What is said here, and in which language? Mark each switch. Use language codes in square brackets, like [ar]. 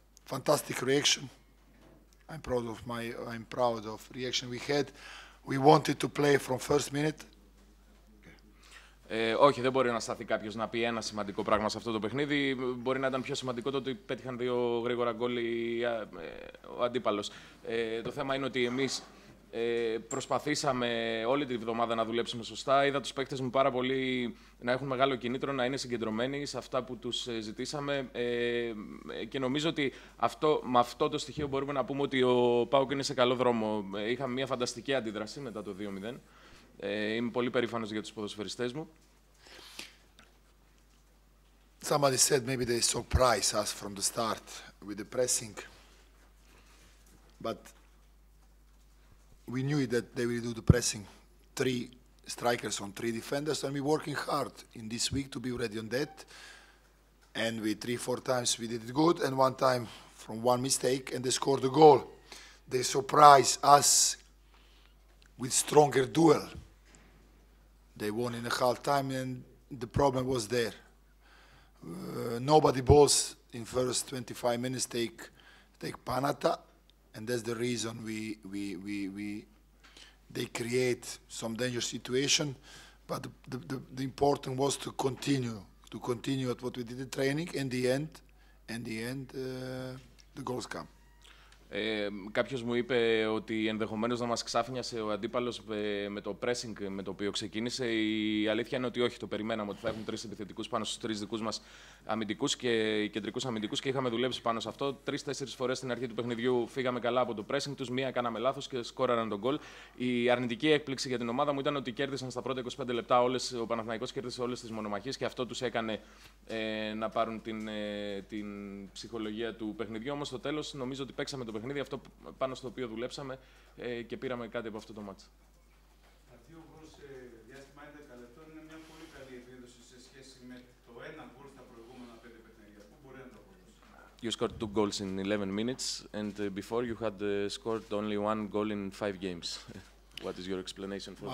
[en] Fantastic reaction. I'm proud of reaction we had. We wanted to play from first minute. [el] Όχι, δεν μπορεί να σταθεί κάποιος να πει ένα σημαντικό πράγμα σε αυτό το παιχνίδι. Μπορεί να ήταν πιο σημαντικό το ότι πέτυχαν δύο γρήγορα γκόλ ο αντίπαλος. Το θέμα είναι ότι εμείς προσπαθήσαμε όλη την εβδομάδα να δουλέψουμε σωστά. Είδα τους παίκτες μου πάρα πολύ να έχουν μεγάλο κινήτρο, να είναι συγκεντρωμένοι σε αυτά που τους ζητήσαμε. Και νομίζω ότι με αυτό το στοιχείο μπορούμε να πούμε ότι ο ΠΑΟΚ είναι σε καλό δρόμο. Είχαμε μια φανταστική αντίδραση μετά το 2-0. Είμαι πολύ περήφανος για τους ποδοσφαιριστές μου. [en] Somebody said maybe they surprised us from the start with the pressing. But we knew that they will do the pressing. Three strikers on three defenders, and we're working hard in this week to be ready on that. And we three, four times we did it good, and one time from one mistake, and they scored the goal. They surprised us with stronger duel. They won in a half time, and the problem was there. Nobody balls in first 25 minutes take Panata, and that's the reason we they create some dangerous situation. But the important was to continue at what we did in training. In the end, the goals come. [el] Κάποιος μου είπε ότι ενδεχομένως να μας ξάφνιασε ο αντίπαλος με το pressing με το οποίο ξεκίνησε. Η αλήθεια είναι ότι όχι, το περιμέναμε ότι θα έχουν τρεις επιθετικούς πάνω στους τρεις δικούς μας αμυντικούς και κεντρικούς αμυντικούς και είχαμε δουλέψει πάνω σε αυτό. Τρεις-τέσσερις φορές στην αρχή του παιχνιδιού φύγαμε καλά από το pressing τους. Μία κάναμε λάθος και σκόραραν τον γκολ. Η αρνητική έκπληξη για την ομάδα μου ήταν ότι κέρδισαν στα πρώτα 25 λεπτά ο Παναθηναϊκός κέρδισε όλες τις μονομαχίες και αυτό τους έκανε να πάρουν την ψυχολογία του παιχνιδιού. Όμως στο τέλος νομίζω ότι παίξαμε το παιχνίδι, αυτό πάνω στο οποίο δουλέψαμε και πήραμε κάτι από αυτό το μάτς. Τα δύο γκολ σε διάστημα 11 λεπτών είναι μια πολύ καλή επίδοση σε σχέση με το ένα γκολ στα προηγούμενα 5 παιχνίδια. Πού μπορεί να το αποδώσει? [en] You scored 2 goals in 11 minutes and before you had scored only 1 goal in 5 games. What is your explanation for that?